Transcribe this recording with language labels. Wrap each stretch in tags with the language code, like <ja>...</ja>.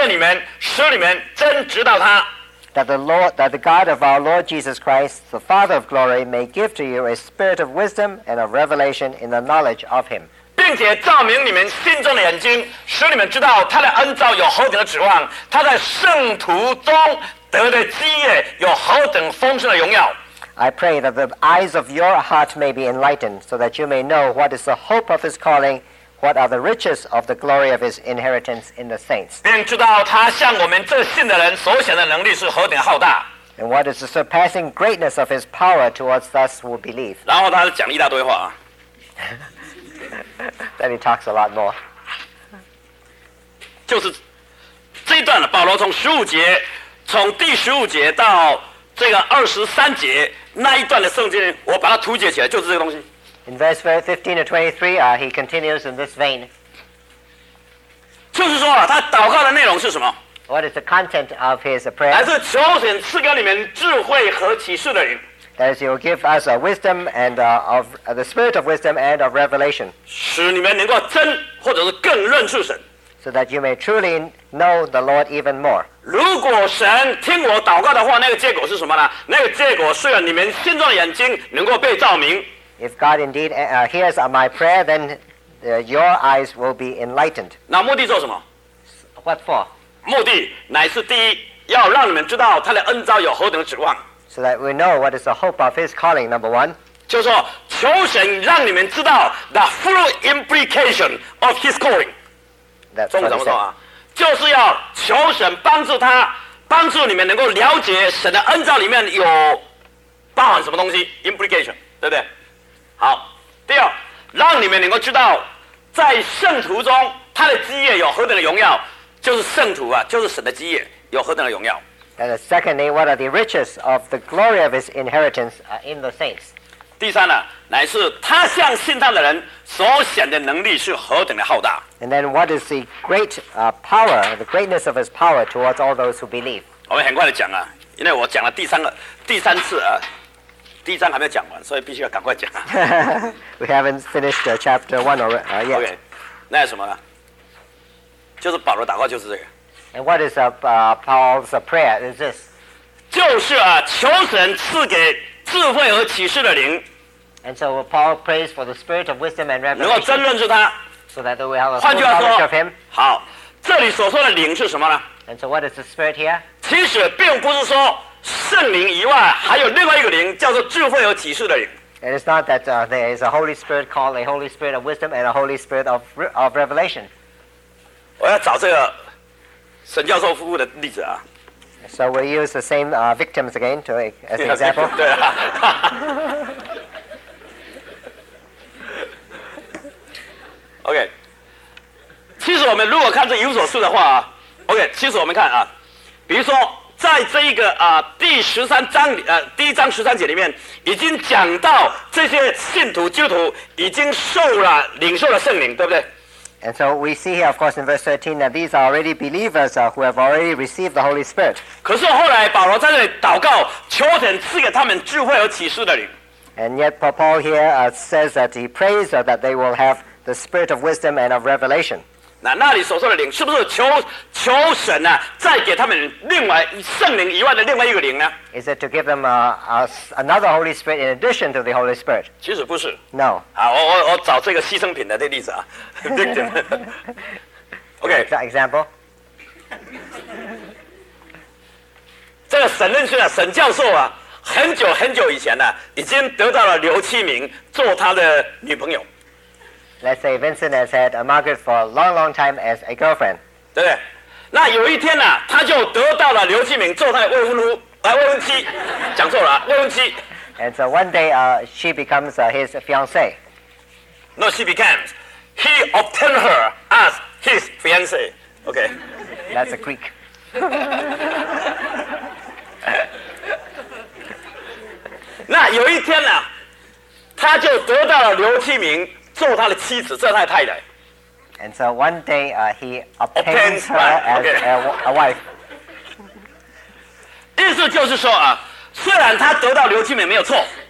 <zh>求我们主耶稣基督的父，的上帝，荣耀的父，将那赐人智慧和启示的灵赏给你们，使你们真知道他。That</zh> <en>the God of our Lord Jesus Christ, the Father of glory, may give to you a spirit of wisdom and of revelation in the knowledge of Him.</en> <zh>并且照明你们心中的眼睛，使你们知道他的恩召有何等的指望，他在圣徒中得的基业有何等丰盛的荣耀。</zh> <en>I pray that the eyes of your heart may be enlightened, so that you may know what is the hope of His calling, what are the riches of the glory of His inheritance in the saints.</en> <zh>便知道他向我们这信的人所显的能力是何等浩大。</zh> <en>And what is the surpassing greatness of His power towards us who believe.</en> <zh>然后他讲一大堆话。</zh> <en>Then he talks a lot more.</en> <zh>就是, 段呢，保罗从十五节，从第十五节到这个二十三节那一段的圣经，我把它图解起来，就是这个东西。</zh> <en>In verse 15 to 23, he continues in this vein.</en> <zh>就是说啊，他祷告的内容是什么？</zh> <en>What is the content of his prayer?</en> <zh>来自求神赐给里面智慧和启示的灵。</zh> <en>That is, he will give us a wisdom and of the spirit of wisdom and of revelation.</en> <zh>使你们能够真或者是更认识神。</zh> <en>So that you may truly know the Lord even more.</en> <zh>如果神听我祷告的话，那个结果是什么呢？那个结果是你们心中的眼睛能够被照明。</zh> <en>If God indeed hears my prayer, then your eyes will be enlightened.</en> <zh>那目的做什么？</zh> <en>What for?</en> <zh>目的乃是第一，要让你们知道他的恩召有何等指望。</zh> <en>So that we know what is the hope of his calling, number one.</en> <zh>就是说，求神让你们知道</zh> <en>the full implication of his calling.</en> <zh>中文怎么说啊？就是要求神帮助他，帮助你们能够了解神的恩召里面有包含什么东西 ，implication， 对不对？好，第二，让你们能够知道在圣徒中他的基业有何等的荣耀，就是圣徒啊，就是神的基业有何等的荣耀。</zh> <en>And secondly, what are the riches of the glory of his inheritance in the saints?</en> <zh>第三呢，乃是他向信道的人所显的能力是何等的浩大。</zh> <en>And then, what is the great power, the greatness of his power towards all those who believe?</en> <zh>我们很快的讲啊，因为我讲了第三次啊，第三还没有讲完，所以必须要赶快讲啊。</zh> <en>We haven't finished chapter one or yet.</en> <zh>Okay, 那是什么呢？就是保罗祷告就是这个。</zh> <en>And what is Paul's prayer? Is this?</en> <zh>就是啊，求神赐给智慧和启示的灵。</zh> <en>And so Paul prays for the spirit of wisdom and revelation.</en> <zh>能够真认识他。</zh> <en>So that we have a full knowledge of him.</en> <zh>好，这里所说的灵是什么呢？</zh> <en>And so what is the spirit here?</en> <zh>其实并不是说圣灵以外还有另外一个灵，叫做智慧和启示的灵。</zh> <en>It is not that there is a Holy Spirit called a Holy Spirit of wisdom and a Holy Spirit of revelation.</en> <zh>我要找这个。沈教授服务的例子啊</zh> <en>，So we use the same victims again to as an example.</en> <zh>对啊，OK， 其实我们如果看这《以弗所书》的话啊 ，OK， 其实我们看啊，比如说在这一个第十三章第一章十三节里面，已经讲到这些信徒基督徒已经受了领受了圣灵，对不对？</zh> <en>And so we see here, of course, in verse 13, that these are already believers who have already received the Holy Spirit.</en> <zh>可是后来保罗在这里祷告，求神赐给他们智慧和启示的灵。</zh> <en>And yet Paul here says that he prays that they will have the spirit of wisdom and of revelation.</en> <zh>那里所说的灵，是不是求神啊，再给他们另外圣灵以外的另外一个灵呢？</zh> <en>Is it to give them another Holy Spirit in addition to the Holy Spirit?</en> <zh>其实不是。</zh> <en>No.</en> <zh>好，我找这个牺牲品的这例子啊。</zh> <en>Victim. OK. Example.</en> <zh>这个沈任勋啊，沈教授啊，很久很久以前呢、啊，已经得到了刘七明做他的女朋友。</zh> <en>Let's say Vincent has had Margaret for a long, long time as a girlfriend.</en> <zh>对不对？那有一天呢、啊，他就得到了刘继明做他的未婚妻，讲错了、啊，未婚妻。</zh> <en>And so one day, she becomes his fiancée. No, she becomes. He obtained her as his fiancée. Okay. That's a Greek.</en> <zh>(笑)那有一天呢、啊，他就得到了刘继明。做他的妻子，做他的太太。</zh> <en>And so one day, he obtains her as a wife.</en> <zh>意思就是说啊，虽然他得到刘金美没有错。</zh>